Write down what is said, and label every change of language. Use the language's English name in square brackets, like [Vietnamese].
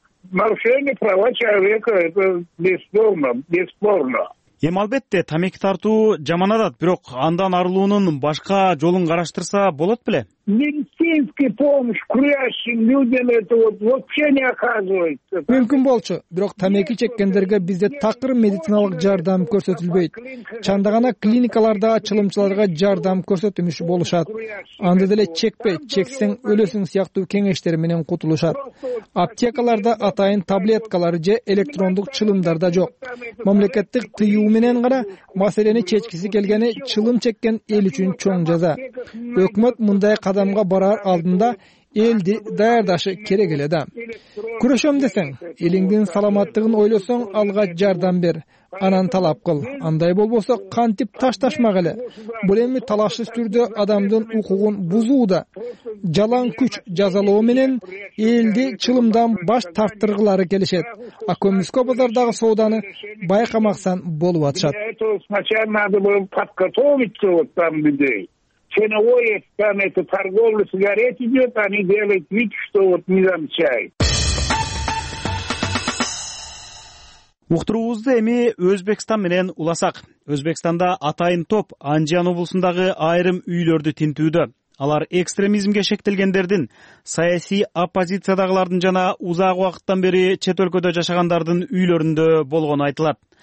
[Russian] Нарушение права человека это бесспорно, бесспорно. [Kyrgyz] Эми албетте тамеки тартуу жаман адат, бирок андан арылуунун башка жолун караштырса болот беле? [Russian] Медицинский помощь курящим людям это вот вообще не оказывается. [Kyrgyz] Мүмкүн болчу, бирок тамеки чеккендерге бизде такыр медициналык жардам көрсөтүлбөйт. Чандагана клиникаларда чылымчыларга жардам көрсөтүмүш болушат. Анда деле чекпе, чексең өлөсүң сыяктуу кеңештер менен кутулушат. Аптекаларда атайын таблеткалар же электрондук чылымдар да жок. Мамлекеттик тыюу менен гана маселени чечкиси келгени чылым чеккен эл үчүн чоң жаза. Өкмөт мындай кадамга барар алдында элди даярдашы керек эле да. Күрөшөм десең, элиңдин саламаттыгын ойлосоң, алга жардам бер, анан талап кыл. Андай болбосо кантип ташташмак эле? Бул эми талашсыз түрдө адамдын укугун бузууда. Жалаң күч жазалоо менен элди чылымдан баш тарттыргылары келишет. А көмүскө базардагы сооданы байкамаксан болуп атышат. [Russian] Ценовое, там это торговля сигарет идет, они делают вид, что вот не замечают. [Kyrgyz] Уктуруубузду эми Өзбекстан менен уласак. Өзбекстанда атайын топ Анжиян облусундагы айрым үйлөрдү тинтүүдө. Алар экстремизмге шектелгендердин, саясий оппозициядагылардын жана узак убакыттан бери чет өлкөдө жашагандардын үйлөрүндө болгону айтылат.